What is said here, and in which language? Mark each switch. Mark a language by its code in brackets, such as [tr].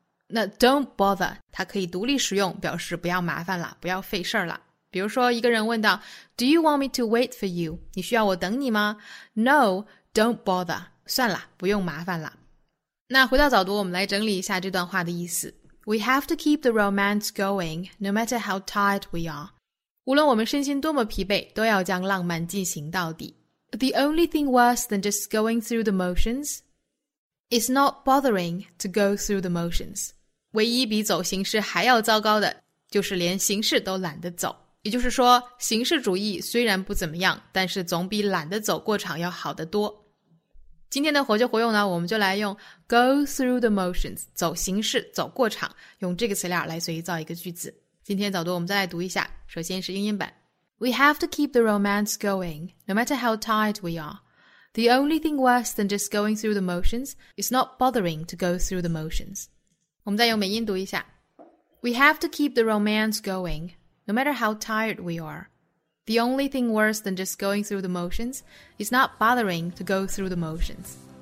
[zh] 那 [en] don't bother, [zh] 它可以独立使用，表示不要麻烦了，不要费事了。比如说一个人问道 [en] Do you want me to wait for you? [zh] 你需要我等你吗？ [en] No, don't bother. [zh] 算了，不用麻烦了。那回到早读，我们来整理一下这段话的意思。 [en] We have to keep the romance going, no matter how tired we are. [zh] 无论我们身心多么疲惫，都要将浪漫进行到底。 [en] The only thing worse than just going through the motions is not bothering to go through the motions. [zh] 唯一比走形式还要糟糕的，就是连形式都懒得走。也就是说，形式主义虽然不怎么样，但是总比懒得走过场要好得多。今天的活就活用呢，我们就来用 [en] go through the motions, [zh] 走形式走过场，用这个词链来随意造一个句子。今天早读我们再来读一下，首先是英音版。 [en] We have to keep the romance going, no matter how tired we are. The only thing worse than just going through the motions is not bothering to go through the motions. [zh] 我们再用美音读一下。 [en] We have to keep the romance going,No matter how tired we are, the only thing worse than just going through the motions is not bothering to go through the motions.